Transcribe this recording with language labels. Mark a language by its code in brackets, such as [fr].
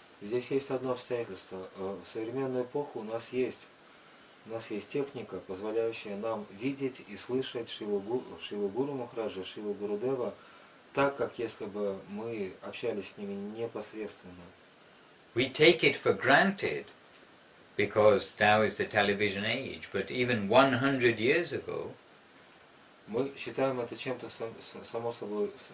[ru] Здесь есть одно обстоятельство. В современную эпоху у нас есть техника, позволяющая нам видеть и слышать Шрилу Гуру Махараджа, Шрилу Гурудева, так, как если бы мы общались с ними непосредственно. [en] We take it for granted, because now is the television age, but even 100 years ago... [ru] Мы считаем это чем-то само собой...